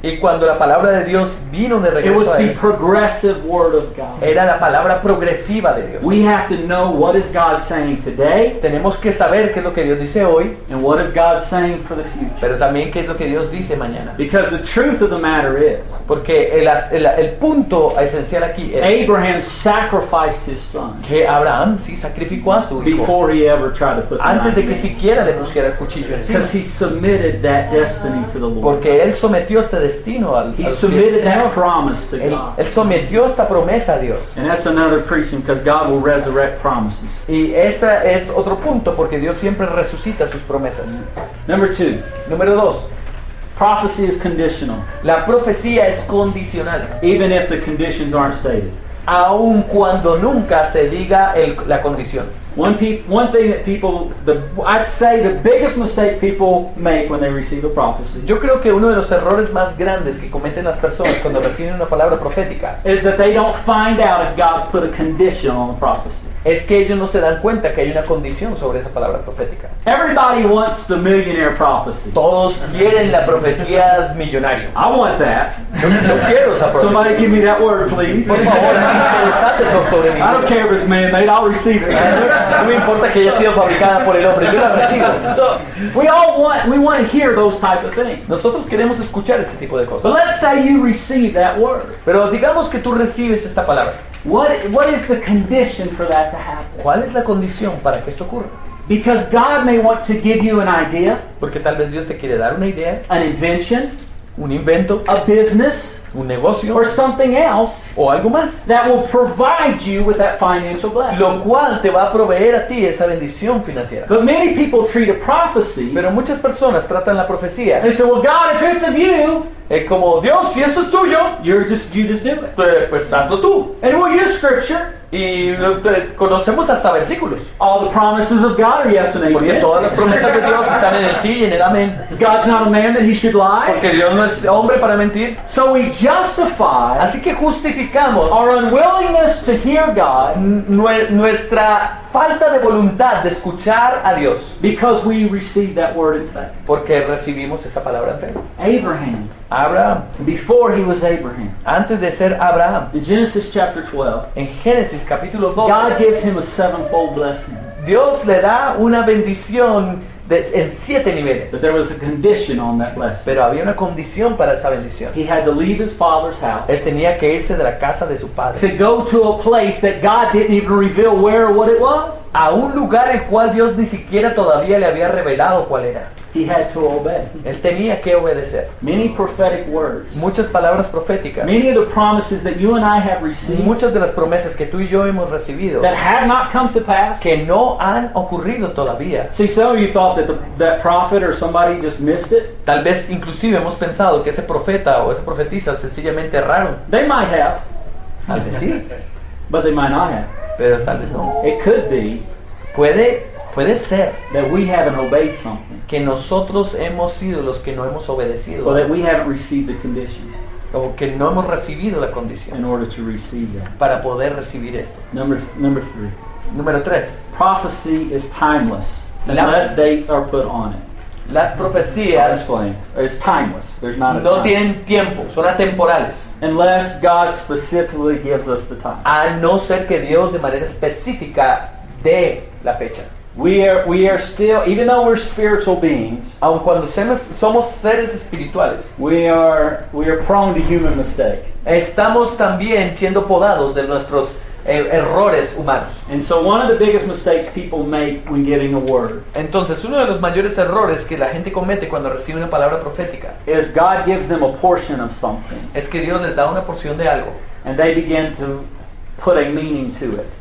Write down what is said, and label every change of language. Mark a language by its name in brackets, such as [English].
[Spanish] y cuando la palabra de Dios vino de regreso, [English] it was [Spanish] a él, [English] the progressive word of God. [Spanish] Era la palabra progresiva de Dios. [English] We have to know what is God saying today. [Spanish] Tenemos que saber qué es lo que Dios dice hoy. [English] And what is God saying for the future. [Spanish] Pero también qué es lo que Dios dice mañana. [English] Because the truth of the matter is, [Spanish] porque el punto esencial aquí es, [English] Abraham sacrificed his son. [Spanish] Que Abraham sí sacrificó a su hijo. [English] Before he ever tried to put the [Spanish] antes de que siquiera le pusiera el cuchillo. [English] Because he submitted that destiny to the Lord. [Spanish] Porque él sometió este destino al [English] Señor. He submitted that promise to God. [Spanish] Él sometió esta promesa a Dios. [English] And that's another preaching because God will resurrect promises. [Spanish] Y ese es otro punto porque Dios siempre resucita sus promesas. [English] Number two. [Spanish] Número dos. [English] Prophecy is conditional. [Spanish] La profecía es condicional. [English] Even if the conditions aren't stated. [Spanish] Aun cuando nunca se diga la condición. Yo creo que uno de los errores más grandes que cometen las personas cuando reciben una palabra profética [English] is that they don't find out if God's put a condition on the prophecy. [Spanish] Es que ellos no se dan cuenta que hay una condición sobre esa palabra profética. [English] Everybody wants the millionaire prophecy. [Spanish] Todos quieren la profecía millonaria. [English] I want that. [Spanish] Yo quiero esa profecía. [English] Somebody give me that word, please. [Spanish] Por favor, dame eso sobre mí. [English] I don't care if it's man-made. I'll receive it. [Spanish] No me importa que haya sido fabricada por el hombre. Yo la recibo. [English] So, we want to hear those type of things. [Spanish] Nosotros queremos escuchar ese tipo de cosas. [English] But let's say you receive that word. [Spanish] Pero digamos que tú recibes esta palabra. [English] What is the condition for that to happen? [Spanish] ¿Cuál es la condición para que esto ocurra? [English] Because God may want to give you an idea. [Spanish] Porque tal vez Dios te quiere dar una idea. [English] An invention. [Spanish] Un invento. [English] A business. [Spanish] Un negocio. [English] Or something else. [Spanish] O algo más. [English] That will provide you with that financial blessing. [Spanish] Lo cual te va a proveer a ti esa bendición financiera. [English] But many people treat a prophecy. [Spanish] Pero muchas personas tratan la profecía. [English] They say, well, God, if it's of you. [Spanish] Es como, Dios, si esto es tuyo, [English] you just do it. [Spanish] Pues hazlo tú. [English] And we'll use scripture. [Spanish] Y conocemos hasta versículos. [English] All the promises of God are yes and amen. [Spanish] Porque todas las promesas de Dios están en el sí y en el amén. [English] God's not a man that he should lie. [Spanish] Porque Dios no es hombre para mentir. [English] So we justify. [Spanish] Así que justificamos [English] our unwillingness to hear God. [Spanish] Nuestra falta de voluntad de escuchar a Dios. [English] Because we received that word in faith. [Spanish] Porque recibimos esta palabra en fe. [English] Abraham. [Spanish] Abraham. [English] Before he was Abraham. [Spanish] Antes de ser Abraham. [English] In Genesis chapter 12. [Spanish] En Génesis capítulo 12. [English] God gives him a sevenfold blessing. [Spanish] Dios le da una bendición en siete niveles. [English] But there was a condition on that blessing. [Spanish] Pero había una condición para esa bendición. [English] He had to leave his father's house. [Spanish] Él tenía que irse de la casa de su padre. [English] To go to a place that God didn't even reveal where or what it was. [Spanish] A un lugar el cual Dios ni siquiera todavía le había revelado cuál era. [English] He had to obey. [Spanish] Él tenía que obedecer. [English] Many prophetic words. [Spanish] Muchas palabras proféticas. [English] Many of the promises that you and I have received. [Spanish] Muchas de las promesas que tú y yo hemos recibido. [English] That have not come to pass. [Spanish] Que no han ocurrido todavía. [English] See, some of you thought that that prophet or somebody just missed it. [Spanish] Tal vez inclusive hemos pensado que ese profeta o esa profetisa sencillamente erraron. [English] They might have. [Spanish] Tal vez sí. [English] But they might not have. [Spanish] Pero tal vez no. [English] It could be. [Spanish] Puede ser [English] that we haven't obeyed something. [Spanish] Que nosotros hemos sido los que no hemos obedecido. [English] Or that we haven't received the condition. [Spanish] O que no hemos recibido la condición. [English] In order to receive that. [Spanish] Para poder recibir esto. [English] Number three. [Spanish] Número tres. [English] Prophecy is timeless unless dates are put on it. [Spanish] Las profecías [English] is timeless. There's not a [Spanish] no [English] time. [Spanish] Tienen tiempo. Son atemporales. [English] Unless God specifically gives us the time. [Spanish] A no ser que Dios de manera específica dé la fecha. [English] We are still, even though we're spiritual beings, [Spanish] aun cuando somos seres espirituales, [English] we are prone to human mistake. [Spanish] Estamos también siendo podados de nuestros errores humanos. [English] And so one of the biggest mistakes people make when giving a word. [Spanish] Entonces uno de los mayores errores que la gente comete cuando recibe una palabra profética [English] is God gives them a portion of something. [Spanish] Es que Dios les da una porción de algo. [English] And they begin to put a meaning to it.